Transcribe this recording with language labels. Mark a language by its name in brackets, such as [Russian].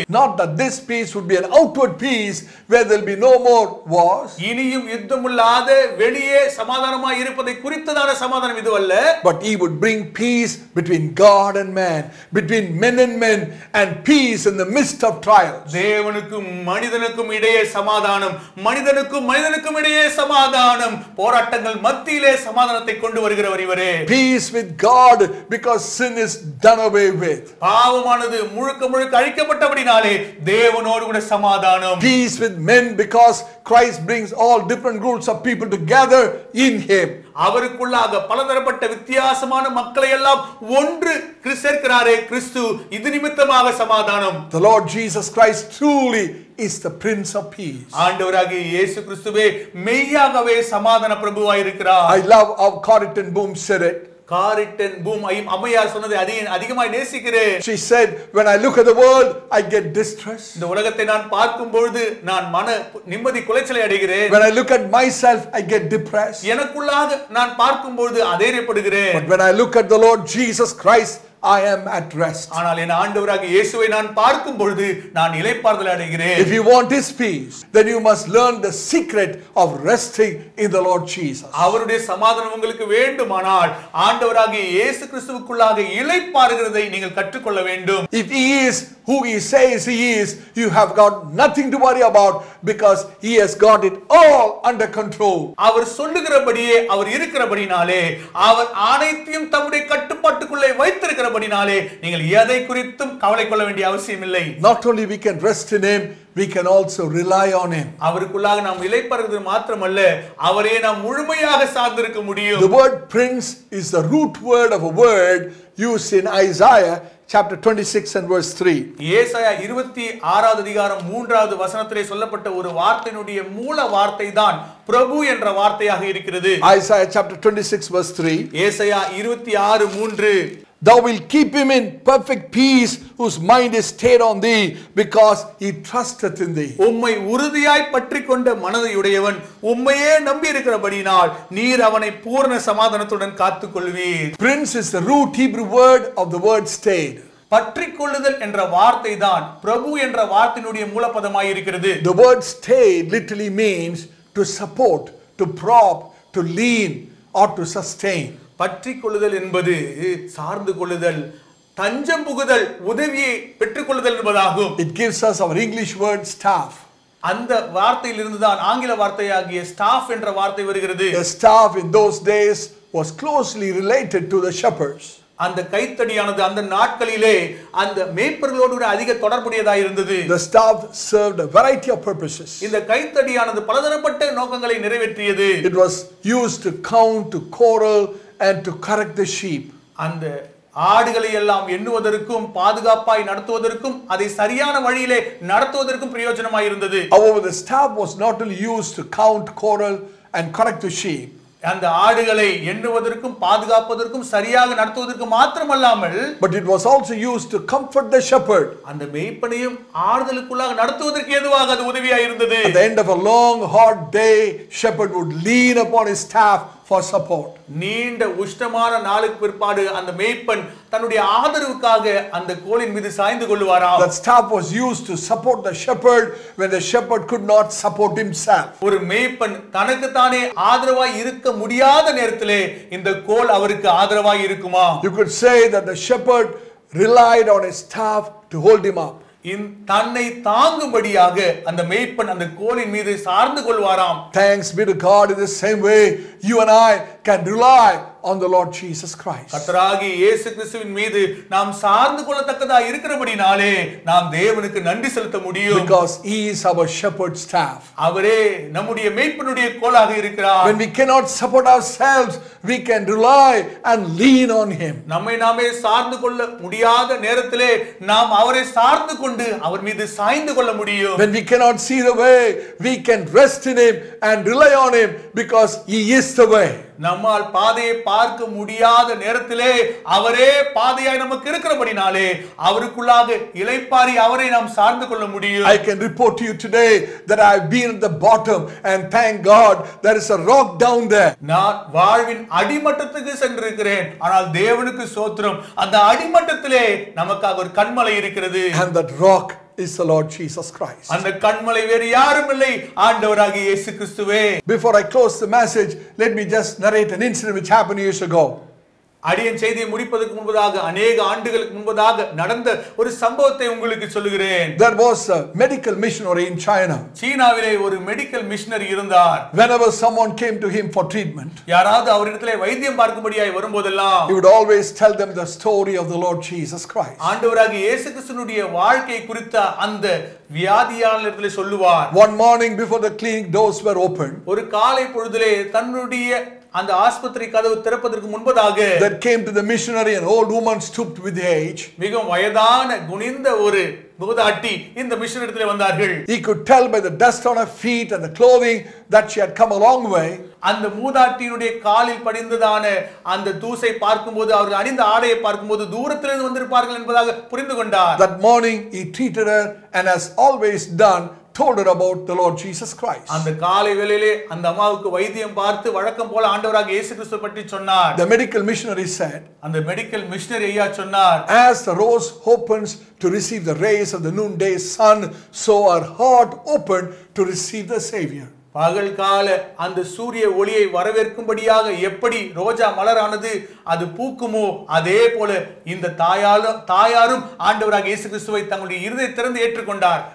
[English] Not that this peace would be an outward peace where there'll be no more wars. [Tamil] இனியும் யுத்தமில்லாத வெளியே சமாதானமாய் இருப்பதை குறித்ததான சமாதானம் இது அல்ல. [English] But he would bring peace between God and man, between men and men, and peace in the midst of trials. [Tamil] தேவனுக்கும் மனிதனுக்கும் இடையே சமாதானம், மனிதனுக்கும் மனிதனுக்கும் இடையே சமாதானம், போராட்டங்கள் மத்தியிலே சமாதானம். [English] Peace with God because sin is done away with. [Tamil] பாவமானது முழுக்க முழுக்க அழிக்கப்பட்டபடியாலே தேவனோடு கூட சமாதானம். [English] Peace with men because Christ brings all different groups of people together in him. [Tamil] அவருக்குள்ளாக பலதரப்பட்ட வித்தியாசமான மக்களை எல்லாம் ஒன்று சேர்க்கிறாரே கிறிஸ்து, இது நிமித்தமாக சமாதானம். [English] The Lord Jesus Christ truly is the Prince of Peace. [Tamil] ஆண்டவராகிய இயேசு கிறிஸ்துவே மெய்யாகவே சமாதான பிரபுவாய் இருக்கிறார். [English] I love how Carlton Boom said it. [Tamil] Carlton Boom அம்மையார் சொன்னதை அதிகமாய் நேசிக்கிறேன். [English] She said, when I look at the world, I get distressed. [Tamil] இந்த உலகத்தை நான் பார்க்கும் பொழுது நான் மன நிம்மதி குலைச்சலை அடைகிறேன். [English] When I look at myself, I get depressed. [Tamil] எனக்குள்ளாக நான் பார்க்கும் பொழுது அதிரப்படுகிறேன். [English] But when I look at the Lord Jesus Christ, I am at rest. [Tamil] ஆனால் என் ஆண்டவராகிய இயேசுவை நான் பார்க்கும் பொழுது நான் இளைப்பாறுதல் அடைகிறேன். [English] If you want this peace, then you must learn the secret of resting in the Lord Jesus. [Tamil] அவருடைய சமாதானம் உங்களுக்கு வேண்டுமானால் ஆண்டவராகிய இயேசு கிறிஸ்துவுக்குள்ளாக இளைப்பாறுகிறதை நீங்கள் கற்றுக்கொள்ள வேண்டும். [English] If he is who he says he is, you have got nothing to worry about because he has got it all under control. [Tamil] அவர் சொல்லுகிறபடியே அவர் இருக்கிறபடியாலே அவர் அனைத்தையும் தம்முடைய கட்டுப்பாட்டுக்குள்ளே வைத்திருக்கிறபடியாலே நீங்கள் எதை குறித்தும் கவலை கொள்ள வேண்டிய அவசியம் இல்லை. [English] Not only we can rest in him, we can also rely on him. [Tamil] அவருக்குள்ளாக நாம் இளைப்பறது மட்டுமல்ல அவரே நாம் முழுமையாக சார்ந்திருக்க முடியும். [English] The word prince is the root word of a word used in Isaiah chapter 26 and verse 3. [Tamil] ஏசாயா 26வது அதிகாரம் 3வது வசனத்திலே சொல்லப்பட்ட ஒரு வார்த்தையினுடைய மூல வார்த்தை தான் பிரபு என்ற வார்த்தையாக இருக்கிறது. [English] Isaiah chapter 26 verse 3. [Tamil] ஏசாயா 26:3. [English] Thou will keep him in perfect peace whose mind is stayed on thee because he trusteth in thee. [Tamil] உம்மை உறுதியாய் பற்றிக்கொண்ட மனதுடையவன் உம்மையே நம்பி இருக்கிறபடியால் நீர் அவனை பூரண சமாதானத்துடன் காத்துக்கொள்வீர். [English] Prince is the root Hebrew word of the word stayed. [Tamil] பற்றிக்கொள்ளுதல் என்ற வார்த்தை தான் பிரபு என்ற வார்த்தையினுடைய மூலப்பதமாய் இருக்கிறது. [English] The word stayed literally means to support, to prop, to lean or to sustain. [Tamil] பற்றிக்கொள்ளுதல் என்பது சார்ந்து கொள்ளுதல், தஞ்சம் புகுதல், உதவியை பெற்றுக் கொள்ளுதல் என்பதாகும். [English] It gives us our English word staff. [Tamil] அந்த வார்த்தையிலிருந்து தான் ஆங்கில வார்த்தையாகிய ஸ்டாஃப் என்ற வார்த்தை வருகிறது. [English] The staff in those days was closely related to the shepherds. [Tamil] அந்த கைத்தடியானது அந்த நாட்களிலே அந்த மேய்ப்பர்களோடு கூட அதிக தொடர்புடையதாக இருந்தது. [English] The staff served a variety of purposes. [Tamil] இந்த கைத்தடியானது பலதரப்பட்ட நோக்கங்களை நிறைவேற்றியது. [English] It was used to count, to quarrel, and to correct the sheep. [Tamil] அந்த ஆடுகளை எல்லாம் எண்ணுவதற்கும் பாதுகாப்பாய் நடத்துவதற்கும் அதை சரியான வழியிலே நடத்துவதற்கும் பிரயோஜனமாய் இருந்தது. [English] However, the staff was not only used to count, quarrel, and correct the sheep. [Tamil] அந்த ஆடுகளை எண்ணுவதற்கும் பாதுகாப்பதற்கும் சரியாக நடத்துவதற்கு மாத்திரமல்லாமல் [English] but it was also used to comfort the shepherd. [Tamil] அந்த மேய்ப்பனையும் ஆடுகளுக்குள்ளாக நடத்துவதற்கு ஏதுவாக அது உதவியாக இருந்தது. [English] At the end of a long hard day, shepherd would lean upon his staff for support. [Tamil] நீண்ட உஷ்டமான நாளுக்கு பிற்பாடு அந்த மேய்ப்பன் தன்னுடைய ஆதரவுக்காக அந்த கோலின் மீது சாய்ந்து கொள்வாராம். [English] That staff was used to support the shepherd when the shepherd could not support himself. [Tamil] ஒரு மேய்ப்பன் தனக்கு தானே ஆதரவாய் இருக்க முடியாத நேரத்திலே இந்த கோல் அவருக்கு ஆதரவாய் இருக்குமா? [English] You could say that the shepherd relied on his staff to hold him up. [Tamil] தன்னை தாங்கும்படியாக அந்த மேய்ப்பன் அந்த கோலின் மீது சார்ந்து கொள்வாராம். [English] Thanks be to God, in the same way you and I can rely on the Lord Jesus Christ. [Tamil] கர்த்தராகிய இயேசு கிறிஸ்துவின் மீது நாம் சார்ந்து கொள்ளத்தக்கதா இருக்கிறபடினாலே நாம் தேவனுக்கு நன்றி செலுத்த முடியும். [English] Because he is our shepherd staff. [Tamil] அவரே நம்முடைய மேய்ப்பனுடைய கோலாக இருக்கிறார். [English] When we cannot support ourselves, we can rely and lean on him. [Tamil] நம்மை நாமே சார்ந்து கொள்ள முடியாத நேரத்திலே நாம் அவரை சார்ந்து கொண்டு அவர் மீது சாய்ந்து கொள்ள முடியும். [English] When we cannot see the way, we can rest in him and rely on him because he is the way. [Tamil] நம்மால் பாதையை பார்க்க முடியாத நேரத்திலே அவரே பாதையாய் நமக்கு இருக்கிறபடினாலே அவருக்குள்ளாக இளைப்பாறி அவரை நாம் சார்ந்து கொள்ள முடியும். [English] I can report to you today that I have been at the bottom and thank God there is a rock down there. [Tamil] நான் வாழ்வின் அடிமட்டத்துக்கு சென்றிருக்கிறேன், ஆனால் தேவனுக்கு ஸ்தோத்திரம், அந்த அடிமட்டத்திலே நமக்காக ஒரு கன்மலை இருக்கிறது. [English] And that rock is the Lord Jesus Christ. [Tamil] அந்த கண்மலை வேறு யாரும் இல்லை, ஆண்டவராகிய இயேசு கிறிஸ்துவே. [English] Before I close the message, let me just narrate an incident which happened years ago. [Tamil] அடியன் செய்தியை முடிப்பதற்கு முன்பதாக அநேக ஆண்டுகளுக்கு முன்பதாக நடந்த ஒரு சம்பவத்தை உங்களுக்கு சொல்கிறேன். [English] There was a medical missionary in China. [Tamil] சீனாவிலே ஒரு [English] medical missionary [Tamil] இருந்தார். [English] Whenever someone came to him for treatment, [Tamil] யாராவது அவரிடத்திலே வைத்தியம் பார்க்கும்படியாய் வரும்போதெல்லாம், [English] he would always tell them the story of the Lord Jesus Christ. [Tamil] ஆண்டவராகிய இயேசு கிறிஸ்துவின் வாழ்க்கை குறித்த அந்த வியாதியாளர்களை சொல்லுவார். [English] One morning before the clinic doors were opened, [Tamil] ஒரு காலை பொழுதிலே தன்னுடைய அந்த ஆஸ்பத்திரி கதவு திறப்பதற்கு முன்பதாக, [English] that came to the missionary an old woman stooped with age, [Tamil] மிகவும் வயதான குனிந்த ஒரு மூதாட்டி இந்த மிஷனரிடத்தில் வந்தார்கள். [English] He could tell by the dust on her feet and the clothing that she had come a long way. [Tamil] அந்த மூதாட்டியினுடைய காலில் படிந்ததான அந்த தூசை பார்க்கும்போது, அவர்கள் அணிந்த ஆடையை பார்க்கும்போது தூரத்திலிருந்து வந்திருப்பார்கள் என்பதாக புரிந்து கொண்டார். [English] That morning he treated her and has always done told her about the Lord Jesus Christ. [Tamil] அந்த காலை வேளையிலே அந்த அம்மாவுக்கு வைத்தியம் பார்த்து வழக்கம் போல ஆண்டவராக இயேசு கிறிஸ்து பற்றி சொன்னார். [English] The medical missionary said, [Tamil] அந்த [English] medical missionary [Tamil] ஐயா சொன்னார், [English] as the rose opens to receive the rays of the noonday sun, so our heart opened to receive the Savior. [Tamil] பகல் கால அந்த சூரிய ஒளியை வரவேற்கும்படியாக எப்படி ரோஜா மலரானது அது பூக்குமோ, அதே போல இந்த தாயாரும் ஆண்டவராக இயேசு கிறிஸ்துவை தங்களுடைய இருதய திறந்து ஏற்றுக்கொண்டார்.